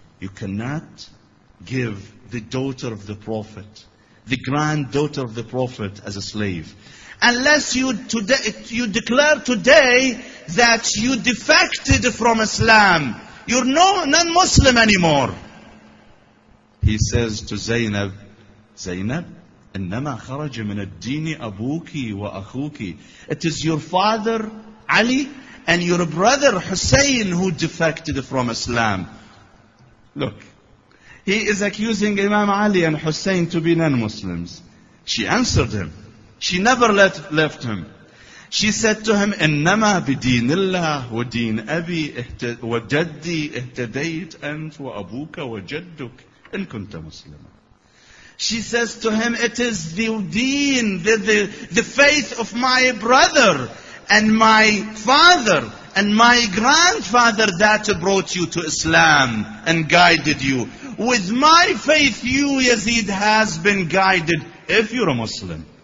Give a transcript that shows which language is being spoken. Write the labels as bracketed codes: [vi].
[en] You cannot give the daughter of the Prophet, the granddaughter of the Prophet, as a slave. Unless you declare today that you defected from Islam, you're no non-Muslim anymore. He says to Zainab, Zainab, [ar] إِنَّمَا خَرَجَ مِنَ الدِّينِ أَبُوكِ وَأَخُوكِ. [en] It is your father, Ali, and your brother, Hussein, who defected from Islam. Look, he is accusing Imam Ali and Hussein to be non-Muslims. She answered him. She never left him. She said to him, [ar] إِنَّمَا بِدِينِ اللَّهِ وَدِينِ أَبِي وَجَدِّي اِهْتَدَيْتْ أَنْتْ وَأَبُوكَ وَجَدُّكَ إِنْ كُنْتَ مُسْلِمًا. [en] She says to him, it is the deen, the faith of my brother and my father and my grandfather that brought you to Islam and guided you. With my faith, you, Yazid, has been guided if you're a Muslim.